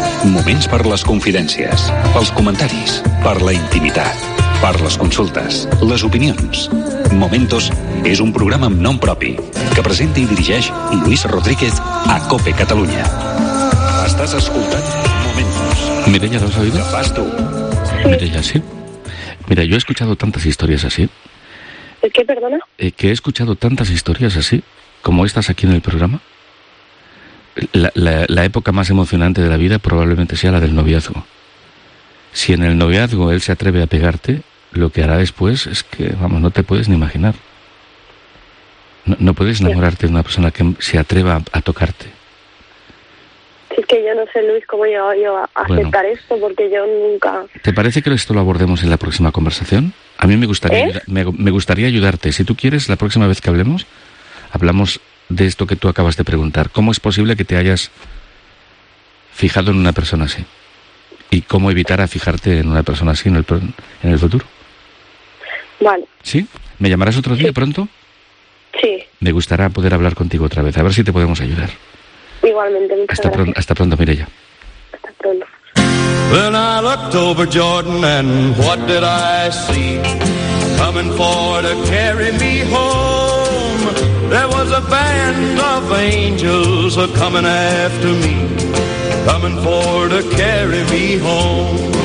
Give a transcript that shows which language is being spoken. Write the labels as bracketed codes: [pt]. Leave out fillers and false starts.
[ca] Moments per les confidències, pels comentaris, per la intimitat, per les consultes, les opinions. Momentos és un programa amb nom propi que presenta i dirigeix Luis Rodríguez a COPE Catalunya. Estàs escoltant Momentos. [es] Mireia, ¿lo has oído? ¿Qué vas tú? Sí. Mireia, sí. Mira, yo he escuchado tantas historias así. ¿Qué, perdona? Que he escuchado tantas historias así como estas aquí en el programa. La época más emocionante de la vida probablemente sea la del noviazgo. Si en el noviazgo él se atreve a pegarte, lo que hará después es que, vamos, no te puedes ni imaginar. No puedes enamorarte de una persona que se atreva a tocarte. Es que yo no sé, Luis, cómo yo aceptar esto, porque yo nunca... ¿Te parece que esto lo abordemos en la próxima conversación? A mí me gustaría, me gustaría ayudarte. Si tú quieres, la próxima vez que hablemos, hablamos... de esto que tú acabas de preguntar. ¿Cómo es posible que te hayas fijado en una persona así? ¿Y cómo evitar a fijarte en una persona así en el futuro? Vale. ¿Sí? ¿Me llamarás otro día pronto? Sí. Me gustará poder hablar contigo otra vez, a ver si te podemos ayudar. Igualmente, muchas hasta gracias. Hasta pronto, Mireia. Hasta pronto. [en] Then I looked over Jordan and what did I see? Coming for to carry me home. There was a band of angels a-coming after me, coming for to carry me home.